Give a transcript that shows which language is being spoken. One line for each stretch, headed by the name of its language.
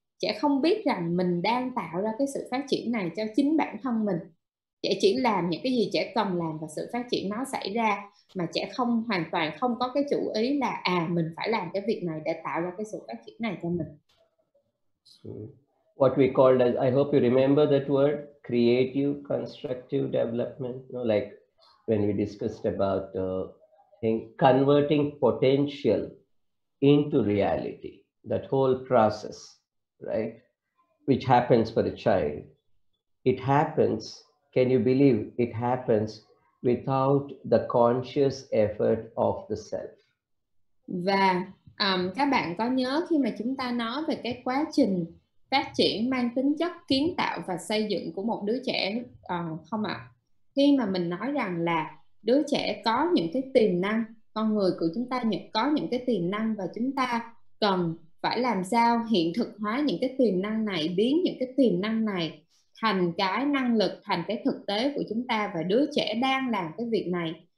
Vietnamese: Trẻ không biết rằng mình đang tạo ra cái sự phát triển này cho chính bản thân mình. Trẻ chỉ làm những cái gì trẻ cần làm và sự phát triển nó xảy ra, mà trẻ không, hoàn toàn không có cái chủ ý là mình phải làm cái việc này để tạo ra cái sự phát triển này cho mình.
English: What we call as, I hope you remember that word, creative constructive development, you know, like when we discussed about in converting potential into reality, that whole process, right, which happens for a child, it happens, can you believe, it happens without the conscious effort of the self.
Vietnamese: Và các bạn có nhớ khi mà chúng ta nói về cái quá trình phát triển mang tính chất kiến tạo và xây dựng của một đứa trẻ không ạ? Khi mà mình nói rằng là đứa trẻ có những cái tiềm năng, con người của chúng ta có những cái tiềm năng, và chúng ta cần phải làm sao hiện thực hóa những cái tiềm năng này, biến những cái tiềm năng này thành cái năng lực, thành cái thực tế của chúng ta, và đứa trẻ đang làm cái việc này.